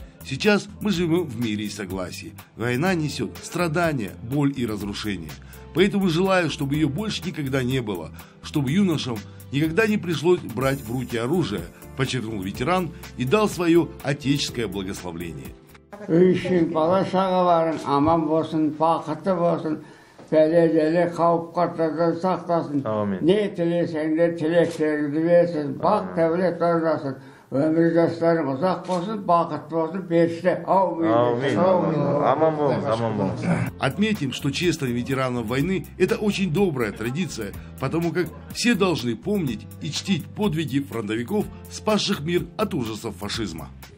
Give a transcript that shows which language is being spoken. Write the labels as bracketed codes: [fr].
[ru] Сейчас мы живем в мире и согласии. Война несет страдания, боль и разрушение. Поэтому желаю, чтобы ее больше никогда не было, чтобы юношам никогда не пришлось брать в руки оружие, подчеркнул ветеран и дал свое отеческое благословение. [kk] Үшін балашаға барын, аман болсын, бақыты болсын, бәле-дәле қауіп қатырды сақтасын. Аумин. Не тілесеңдер, тілектеріңді берсін, бақ тәулет орнасын, өмір жастарын ұзақ болсын, бақыты болсын, берісті. Аумин. Аумин. Аман болсын, аман болсын. [ru] Отметим, что честность ветеранов войны – это очень добрая традиция, потому как все должны помнить и чтить подвиги фронтовиков, спасших мир от ужасов фашизма.